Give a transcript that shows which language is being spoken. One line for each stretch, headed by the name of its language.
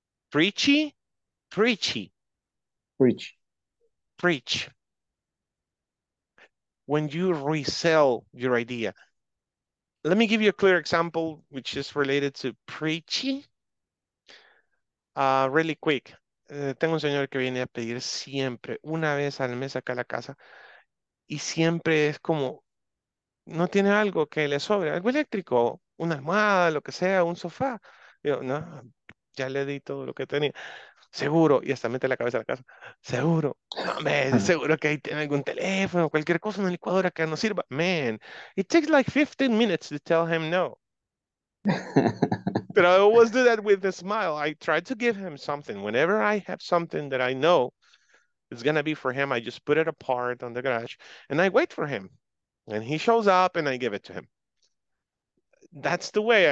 English: Preachy? Preachy. Preach. Preach. When you resell your idea. Let me give you a clear example, which is related to preachy. Really quick.
Spanish: Tengo un señor que viene a pedir siempre, una vez al mes acá a la casa, y siempre es como, no tiene algo que le sobre, algo eléctrico, una almohada, lo que sea, un sofá. Yo, no, ya le di todo lo que tenía. Seguro, y hasta mete la cabeza a la casa. Seguro, no, man, seguro que ahí tiene algún teléfono, cualquier cosa, una licuadora que no sirva.
English: Man, it takes like 15 minutes to tell him no. But I always do that with a smile. I try to give him something. Whenever I have something that I know is going to be for him, I just put it apart on the garage and I wait for him. And he shows up and I give it to him. That's the way.